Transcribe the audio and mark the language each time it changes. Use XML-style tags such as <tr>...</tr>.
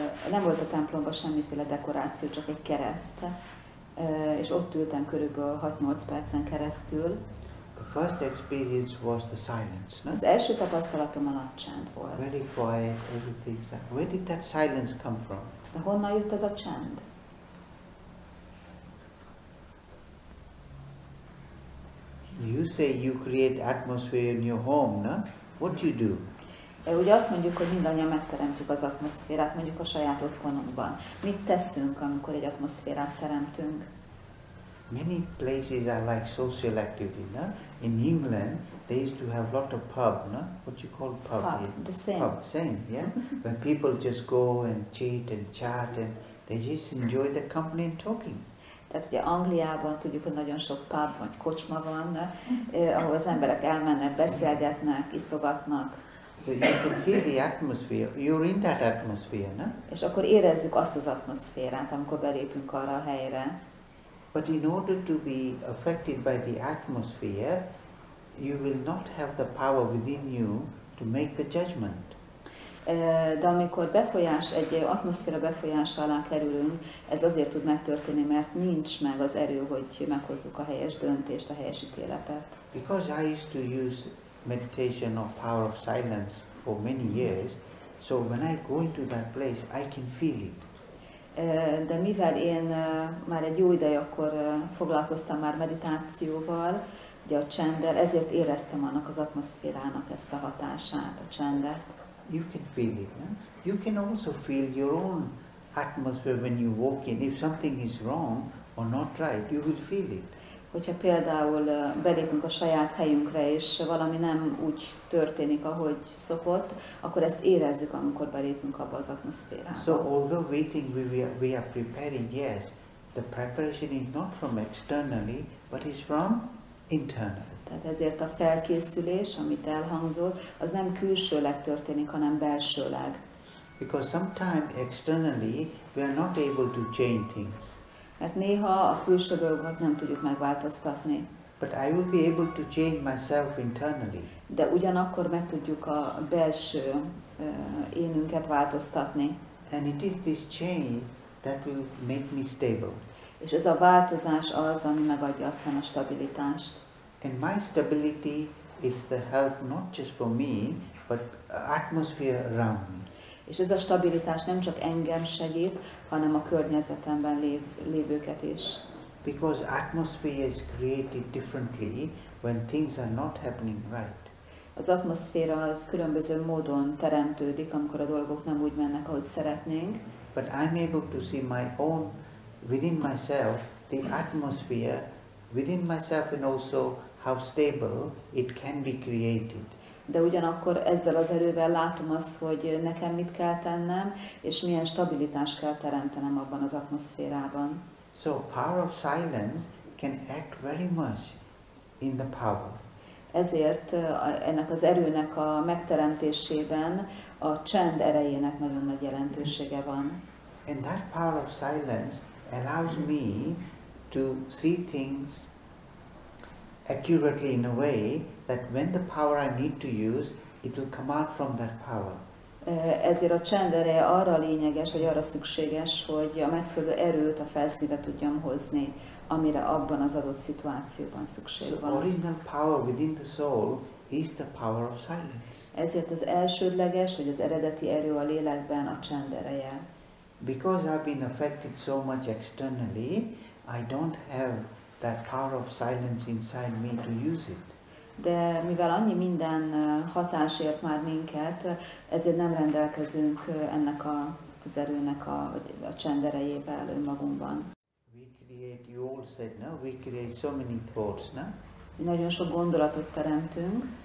<hu>Nem volt a templomba semmiféle dekoráció, csak egy kereszt. És ott ültem körülbelül 6-8 percen keresztül.</hu> <en>The first experience was the silence, no?</en> <hu>Az első tapasztalatom a nagy csend volt.</hu> <en>Very quiet, everything's that. Where did that silence come from?</en> <hu>De honnan jött ez a csend?</hu> <en>You say you create atmosphere in your home, no? What do you do?</en> <hu>Ugye azt mondjuk, hogy mindannyian megteremtjük az atmoszférát, mondjuk a saját otthonunkban. Mit teszünk, amikor egy atmoszférát teremtünk?</hu> <en>Many places are like social activity, no? In England, they used to have a lot of pub, no? What you call pub? Pub, yeah. The same. Pub, same, yeah? When people just go and cheat and chat and they just enjoy the company and talking.</en> <hu>Tehát ugye Angliában tudjuk, hogy nagyon sok pub vagy kocsma van, ahol az emberek elmennek, beszélgetnek, iszogatnak.</hu> <en>You can feel the atmosphere. You're in that atmosphere, no?</en> <hu>És akkor érezzük azt az atmoszférát, amikor belépünk arra a helyre.</hu> <en>But in order to be affected by the atmosphere, you will not have the power within you to make the judgment.</en> <hu>De amikor egy atmoszféra befolyása alá kerülünk, ez azért tud megtörténni, mert nincs meg az erő, hogy meghozzuk a helyes döntést, a helyes ítéletet.</hu> <en>Because I used to use meditation or power of silence for many years, so when I go into that place, I can feel it.</en> <hu>De mivel én már egy jó ideje akkor foglalkoztam már meditációval, ugye a csenddel, ezért éreztem annak az atmoszférának ezt a hatását, a csendet.</hu> <en>You can feel it, no? You can also feel your own atmosphere when you walk in. If something is wrong or not right, you will feel it.</en> <hu>Hogyha például belépünk a saját helyünkre, és valami nem úgy történik, ahogy szokott, akkor ezt érezzük, amikor belépünk abba az atmoszférába.</hu> <en>So although we think we are preparing, yes, the preparation is not from externally, but is from internally.</en> <hu>Tehát ezért a felkészülés, amit elhangzott, az nem külsőleg történik, hanem belsőleg.</hu> <en>Because sometimes externally we are not able to change things.</en> <hu>Mert néha a külső dolgokat nem tudjuk megváltoztatni.</hu> <en>But I will be able to change myself internally.</en> <hu>De ugyanakkor meg tudjuk a belső énünket változtatni.</hu> <en>And it is this change that will make me stable.</en> <hu>És ez a változás az, ami megadja aztán a stabilitást.</hu> <en>And my stability is the help not just for me, but atmosphere around me.</en> <hu>És ez a stabilitás nem csak engem segít, hanem a környezetemben lévőket is.</hu> <en>Because atmosphere is created differently when things are not happening right.</en> <hu>Az atmoszféra az különböző módon teremtődik, amikor a dolgok nem úgy mennek, ahogy szeretnénk.</hu> <en>But I'm able to see my own, within myself, the atmosphere within myself and also how stable it can be created.</en> <hu>De ugyanakkor ezzel az erővel látom azt, hogy nekem mit kell tennem, és milyen stabilitást kell teremtenem abban az atmoszférában.</hu> <en>So power of silence can act very much in the power.</en> <hu>Ezért ennek az erőnek a megteremtésében a csend erejének nagyon nagy jelentősége van.</hu> <en>And that power of silence allows me to see things accurately in a way that when the power I need to use, it will come out from that power.</en> <hu>Ezért a csend ereje arra lényeges, vagy arra szükséges, hogy a megfelelő erőt a felszínre tudjam hozni, amire abban az adott szituációban szükség van.</hu> <en>So original power within the soul is the power of silence.</en> <hu>Ezért az elsődleges, vagy az eredeti erő a lélekben a csend ereje.</hu> <en>Because I've been affected so much externally, I don't have that power of silence inside me to use it.</en> <hu>De mivel annyi minden hatás ért már minket, ezért nem rendelkezünk ennek az erőnek a csenderejével önmagunkban.</hu> <en>We create, you all said, no? We create so many thoughts, no?</en> <hu>Mi nagyon sok gondolatot teremtünk.</hu>